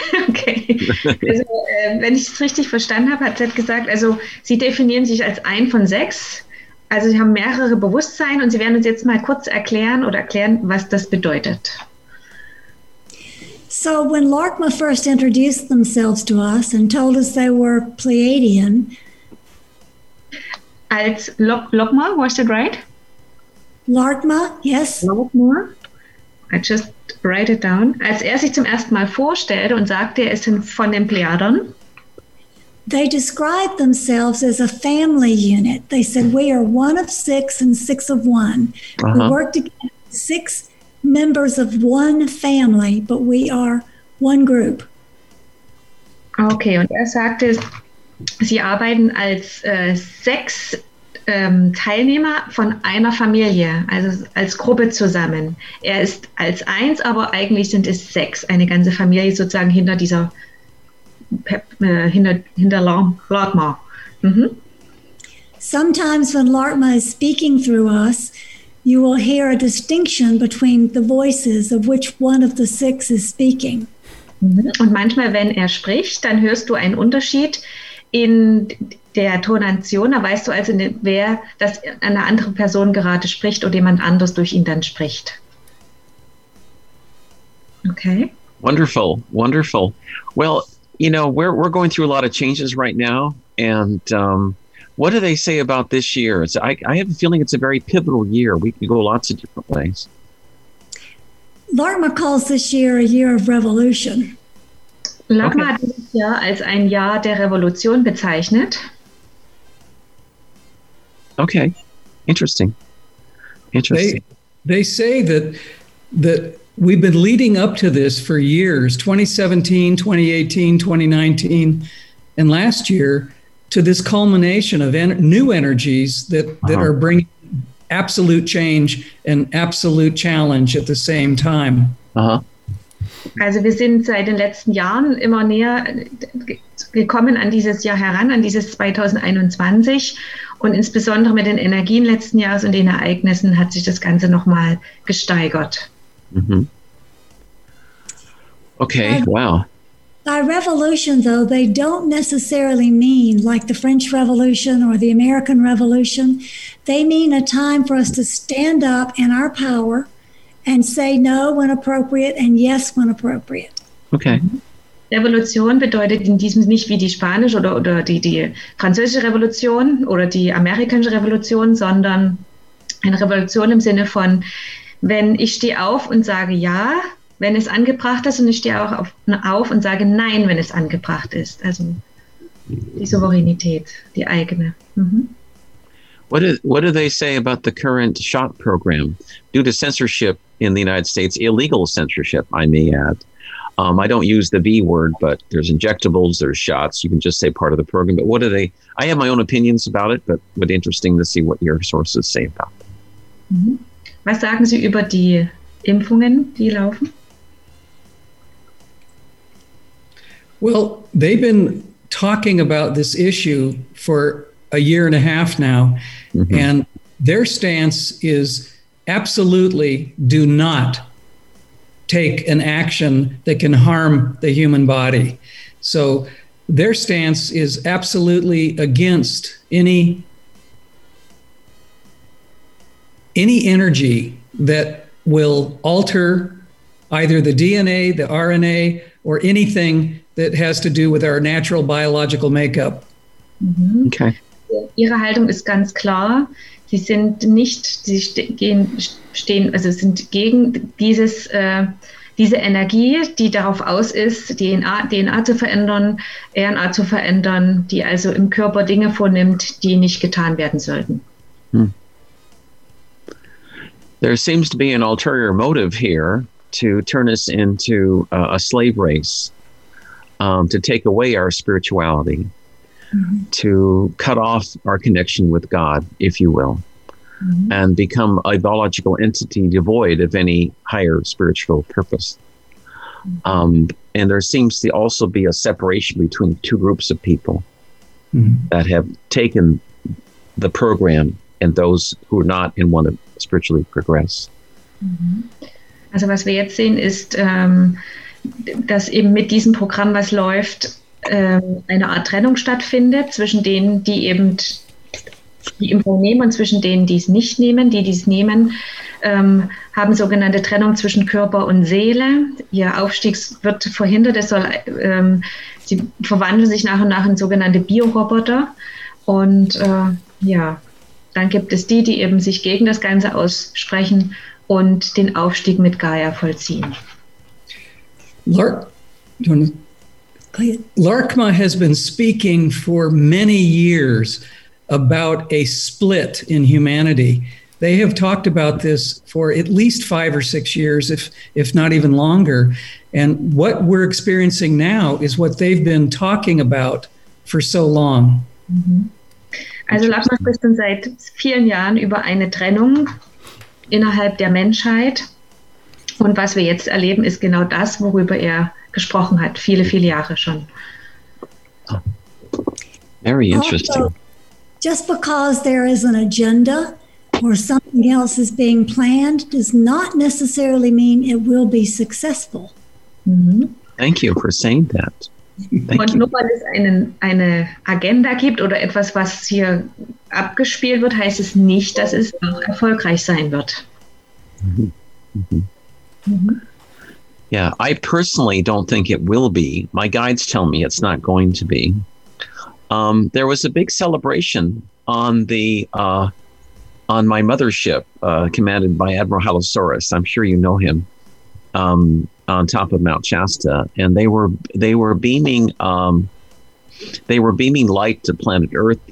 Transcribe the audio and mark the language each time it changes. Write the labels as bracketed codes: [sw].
[de] Okay. Also, wenn ich es richtig verstanden habe, hat Zed gesagt, also Sie definieren sich als ein von sechs. Also Sie haben mehrere Bewusstsein und Sie werden uns jetzt mal kurz erklären oder erklären, was das bedeutet. [en] So when Larkma first introduced themselves to us and told us they were Pleiadian. Als Larkma, was that right? Larkma, yes. Larkma. I just write it down. [de] Als sich zum ersten Mal vorstellte und sagte, es sind von den Pleiadern. [en] They described themselves as a family unit. They said, we are one of six and six of one. Uh-huh. We work together, six members of one family, but we are one group. [de] Okay, und sagte, sie arbeiten als sechs Teilnehmer von einer Familie, also als Gruppe zusammen. Ist als eins, aber eigentlich sind es sechs, eine ganze Familie sozusagen hinter dieser hinter Larkma. Mhm. [en] Sometimes when Larkma is speaking through us, you will hear a distinction between the voices of which one of the six is speaking. [de] Und manchmal, wenn spricht, dann hörst du einen Unterschied in der Tonation. Da weißt du also, wer das eine andere Person gerade spricht oder jemand anders durch ihn dann spricht. [en] Okay. Wonderful, wonderful. Well, you know, we're going through a lot of changes right now, and what do they say about this year? I have a feeling it's a very pivotal year. We can go lots of different ways. Larkma calls this year a year of revolution. [de] Larkma hat dieses Jahr als ein Jahr der Revolution bezeichnet. [en] Okay, interesting. Interesting. They say that we've been leading up to this for years, 2017, 2018, 2019, and last year, to this culmination of new energies that are bringing absolute change and absolute challenge at the same time. Uh-huh. [de] Also wir sind seit den letzten Jahren immer näher gekommen an dieses Jahr heran, an dieses 2021. Und insbesondere mit den Energien letzten Jahres und den Ereignissen hat sich das Ganze nochmal gesteigert. [en] Mm-hmm. Okay, wow. By revolution, though, they don't necessarily mean like the French Revolution or the American Revolution. They mean a time for us to stand up in our power and say no when appropriate and yes when appropriate. Okay. [de] Revolution bedeutet in diesem nicht wie die spanische oder die französische Revolution oder die amerikanische Revolution, sondern eine Revolution im Sinne von, wenn ich stehe auf und sage ja, wenn es angebracht ist, und ich stehe auch auf und sage nein, wenn es angebracht ist. Also die Souveränität, die eigene. Mhm. [en] What do they say about the current shot program? Due to censorship in the United States, illegal censorship, I may add. I don't use the B word, but there's injectables, there's shots. You can just say part of the program. But what are they? I have my own opinions about it, but would be interesting to see what your sources say about it. Mm-hmm. [de] Was sagen Sie über die Impfungen, die laufen? [en] Well, they've been talking about this issue for a year and a half now. Mm-hmm. And their stance is absolutely do not take an action that can harm the human body. So their stance is absolutely against any energy that will alter either the DNA, the RNA, or anything that has to do with our natural biological makeup. Mm-hmm. Okay. [de] Ihre Haltung ist ganz klar. Sie sind nicht, sie stehen, also sind gegen dieses, diese Energie, die darauf aus ist, DNA zu verändern, RNA zu verändern, die also im Körper Dinge vornimmt, die nicht getan werden sollten. Hm. [en] There seems to be an ulterior motive here to turn us into a slave race, to take away our spirituality. Mm-hmm. To cut off our connection with God, if you will. and become a biological entity devoid of any higher spiritual purpose. And there seems to also be a separation between two groups of people that have taken the program and those who are not and want to spiritually progress. Mm-hmm. [de] Also was wir jetzt sehen ist, dass eben mit diesem Programm, was läuft, eine Art Trennung stattfindet zwischen denen, die eben die Impfung nehmen und zwischen denen, die es nicht nehmen. Die, die es nehmen, haben sogenannte Trennung zwischen Körper und Seele. Ihr Aufstieg wird verhindert. Es soll, sie verwandeln sich nach und nach in sogenannte Bioroboter. Und ja, dann gibt es die, die eben sich gegen das Ganze aussprechen und den Aufstieg mit Gaia vollziehen. [en] Larkma has been speaking for many years about a split in humanity. They have talked about this for at least 5 or 6 years, if not even longer. And what we're experiencing now is what they've been talking about for so long. Mm-hmm. [de] Also Larkma spricht schon seit vielen Jahren über eine Trennung innerhalb der Menschheit. Und was wir jetzt erleben, ist genau das, worüber er gesprochen hat, viele, viele Jahre schon. [en] Very interesting. Also, just because there is an agenda or something else is being planned does not necessarily mean it will be successful. Mm-hmm. Thank you for saying that. Thank [de] Und [en] you. [de] Nur weil es eine Agenda gibt oder etwas, was hier abgespielt wird, heißt es nicht, dass es auch erfolgreich sein wird. Mm-hmm. [en] Yeah, I personally don't think it will be. My guides tell me it's not going to be. There was a big celebration on the on my mothership, commanded by Admiral Halosaurus. I'm sure you know him, on top of Mount Shasta, and they were beaming light to planet Earth.